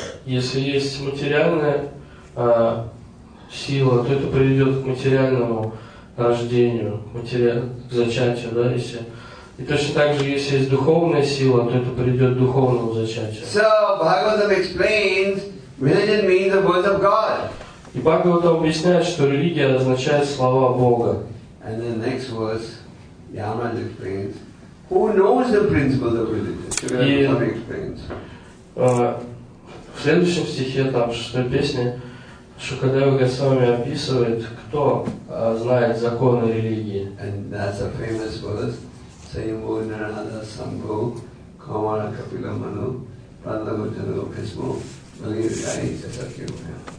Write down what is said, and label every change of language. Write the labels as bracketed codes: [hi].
[ru] Если есть материальная сила, то это приведет к материальному рождению, к зачатию, да, если. И точно так же, если есть духовная сила, то это приведет к духовному зачатию. [en] So, Bhagavatam explains, religion means the words of God. [ru] И Бхагаватам объясняет, что религия означает слова Бога. [en] And then next verse, Yamraj explains, who knows the principles of religion? [ru] В следующем стихе, там, в шестой песне, Шукадева Госвами описывает, кто знает законы религии. [en] And that's a famous verse. [sa] Sayambhu Narada Sambhu Kamala Kapila Manu Pradlamutana Lokasmo Valiriyai Chasakyamaya.